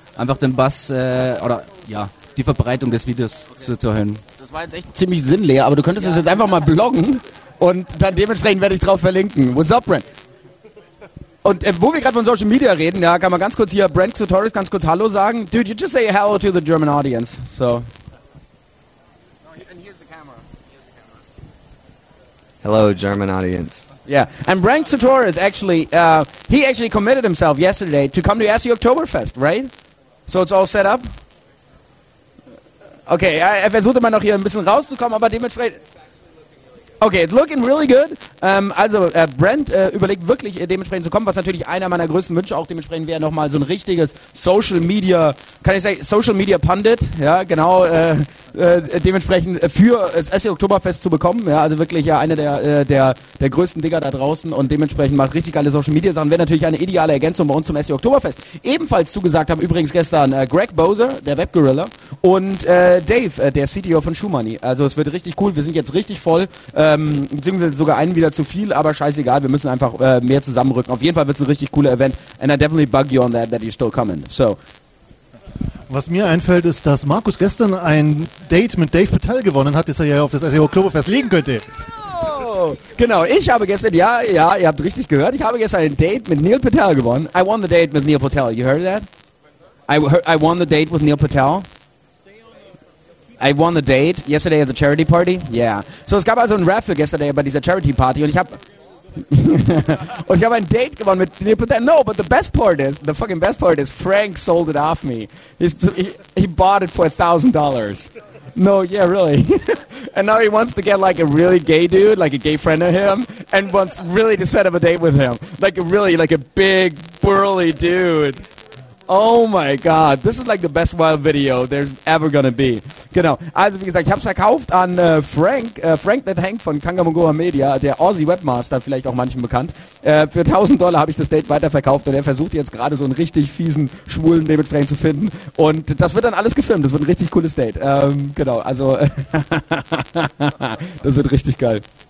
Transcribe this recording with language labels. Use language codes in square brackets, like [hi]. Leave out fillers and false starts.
[de] Einfach den Buzz oder ja, die Verbreitung des Videos zu erhöhen. Das war jetzt echt ziemlich sinnleer, aber du könntest es jetzt einfach mal bloggen und dann dementsprechend werde ich drauf verlinken. [en] What's up, Brent? [de] Und wo wir gerade von Social Media reden, ja, kann man ganz kurz hier Brent Sartoris ganz kurz Hallo sagen. [en] Dude, you just say hello to the German audience, so... Hello, German audience. Yeah, and Brank Sartoris actually, he actually committed himself yesterday to come to SE Oktoberfest, right? So it's all set up? [de] Okay, er versucht immer noch hier ein bisschen rauszukommen, aber dementsprechend... [en] Okay, it's looking really good. [de] Brent überlegt wirklich dementsprechend zu kommen, was natürlich einer meiner größten Wünsche auch dementsprechend wäre, nochmal so ein richtiges Social Media, kann ich sagen, Social Media Pundit, ja, genau, dementsprechend für das SE Oktoberfest zu bekommen, ja, also wirklich ja einer der größten Digger da draußen und dementsprechend macht richtig geile Social Media Sachen, wäre natürlich eine ideale Ergänzung bei uns zum SE Oktoberfest. Ebenfalls zugesagt haben übrigens gestern Greg Bowser, der Webgorilla, und Dave, der CTO von Shoemoney. Also es wird richtig cool, wir sind jetzt richtig voll, beziehungsweise sogar einen wieder zu viel, aber scheißegal, wir müssen einfach mehr zusammenrücken. Auf jeden Fall wird es ein richtig cooler Event. [en] And I definitely bug you on that, that you're still coming. So. [de] Was mir einfällt, ist, dass Markus gestern ein Date mit Dave Patel gewonnen hat, das er ja auf das SEO Club festlegen könnte. Genau, ich habe gestern, ja, ihr habt richtig gehört, ich habe gestern ein Date mit Neil Patel gewonnen. [en] I won the date with Neil Patel, you heard that? I won the date with Neil Patel. I won the date yesterday at the charity party. Yeah. [de] So es gab also ein Raffle yesterday bei dieser Charity Party und ich habe ein Date gewonnen mit Neil Patel. [en] No, but the best part is, the fucking best part is, Frank sold it off me. He bought it for $1,000. No, yeah, really. And now he wants to get like a really gay dude, like a gay friend of him, and wants really to set up a date with him. Like a really, like a big, burly dude. Oh my god, this is like the best wild video there's ever gonna be. [de] Genau, also wie gesagt, ich hab's verkauft an Frank that Hank von Kangamongoa Media, der Aussie Webmaster, vielleicht auch manchen bekannt. Für $1,000 habe ich das Date weiterverkauft und er versucht jetzt gerade so einen richtig fiesen, schwulen David Frank zu finden. Und das wird dann alles gefilmt, das wird ein richtig cooles Date. Genau, also das wird richtig geil.